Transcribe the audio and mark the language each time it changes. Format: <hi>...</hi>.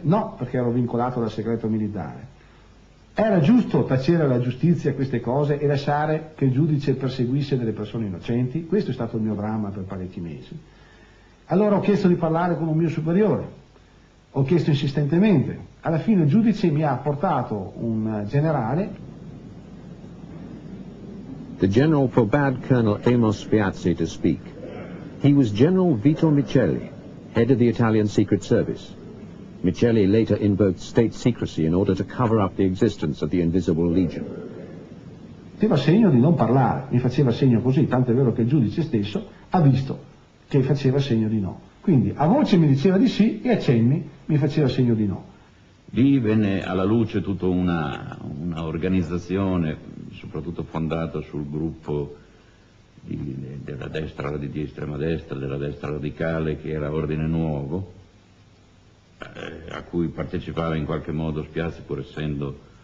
<it>No, perché ero vincolato dal segreto militare. Era giusto tacere alla giustizia queste cose e lasciare che il giudice perseguisse delle persone innocenti? Questo è stato il mio dramma per parecchi mesi. Allora ho chiesto di parlare con un mio superiore, ho chiesto insistentemente. Alla fine il giudice mi ha portato un generale.</it> <en>The general forbade Colonel Amos Piazzi to speak. He was General Vito Micheli, head of the Italian Secret Service. Micheli later invoked state secrecy in order to cover up the existence of the Invisible Legion.</en> <it>Faceva segno di non parlare, mi faceva segno così, tanto è vero che il giudice stesso ha visto che faceva segno di no. Quindi a voce mi diceva di sì e a cenni mi faceva segno di no. Lì venne alla luce tutta una organizzazione, soprattutto fondata sul gruppo della destra, di estrema destra, della destra radicale, che era Ordine Nuovo, a cui partecipava in qualche modo Spiazzi, pur essendo</it>